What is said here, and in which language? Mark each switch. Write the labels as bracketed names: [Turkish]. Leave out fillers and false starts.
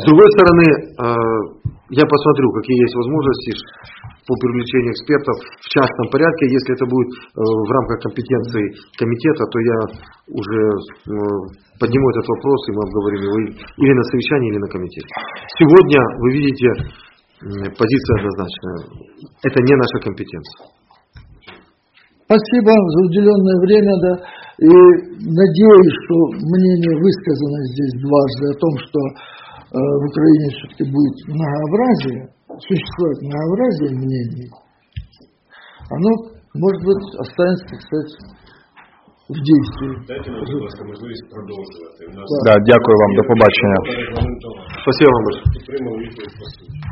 [Ukrainian] З другої сторони, я посмотрю, які є можливості по привлеченню експертів в частному порядку. Якщо це буде в рамках компетенції комітету, то я вже підніму цей питання, і ми обговоримо його і на совещанні, і на комітеті. Сьогодні ви бачите [Russian] позиция однозначная. Это не наша компетенция. Спасибо за уделенное время, да. И надеюсь, что мнение высказано здесь дважды о том, что в Украине все-таки будет многообразие, существует многообразие мнений, оно, может быть, останется, так сказать, в действии. Дайте нам, пожалуйста, возможность продолжить. Да. [Ukrainian] Да, дякую вам, до побачення. [Russian] Спасибо вам большое. [Ukrainian] Підтримали відповідь, спасибо.